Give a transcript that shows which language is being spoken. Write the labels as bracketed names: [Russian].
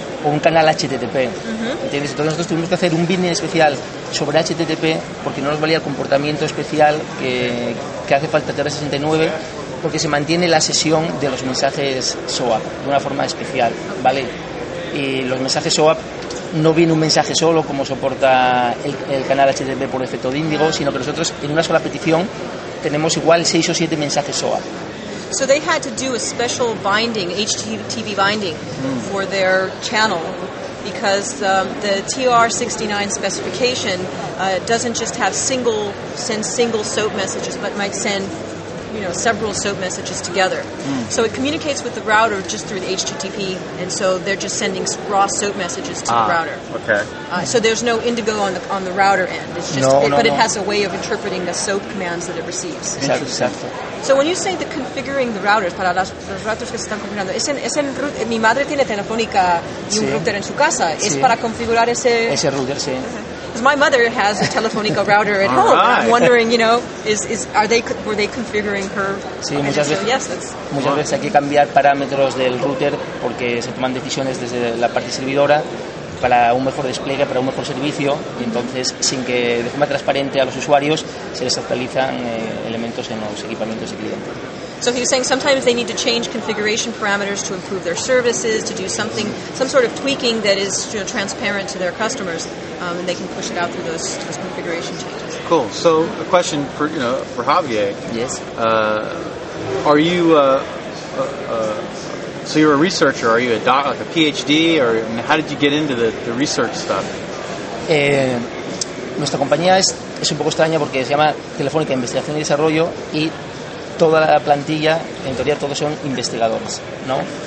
[Spanish] o un canal HTTP, ¿entiendes? Entonces nosotros tuvimos que hacer un binding especial sobre HTTP porque no nos valía el comportamiento especial que hace falta TR69 porque se mantiene la sesión de los mensajes SOAP de una forma especial, ¿vale? Y los mensajes SOAP no viene un mensaje solo como soporta el canal HTTP por defecto de Índigo, sino que nosotros en una sola petición tenemos igual 6 o 7 mensajes SOAP. [English] So they had to do a special binding, HTTP binding, for their channel because the TR69 specification doesn't just send single SOAP messages, but might send, you know, several SOAP messages together. So it communicates with the router just through the HTTP, and so they're just sending raw SOAP messages to the router. Okay. So there's no Índigo on the router end. It's just It has a way of interpreting the SOAP commands that it receives. Exactly. So when you say the configuring the routers [Spanish] para los routers que se están configurando, es en router, mi madre tiene Telefónica y un router en su casa, es para configurar ese router, sí. Okay. [English] Because my mother has a Telefónica router at home. Right. I'm wondering, you know, were they configuring her? [Spanish] Sí, muchas veces. [English] Yes, that's. [Spanish] Muchas veces hay que cambiar parámetros del router porque se toman decisiones desde la parte servidora para un mejor despliegue, para un mejor servicio, y entonces sin que de forma transparente a los usuarios se les actualizan elementos en los equipamientos de cliente. [English] So he was saying sometimes they need to change configuration parameters to improve their services, to do something, some sort of tweaking that is, you know, transparent to their customers, and they can push it out through those configuration changes. Cool. So a question for, you know, for Javier. Yes. Are you so you're a researcher? Are you a PhD, or how did you get into the research stuff? [Spanish] Nuestra compañía es un poco extraña porque se llama Telefónica Investigación y Desarrollo y toda la plantilla, en teoría, todos son investigadores, ¿no?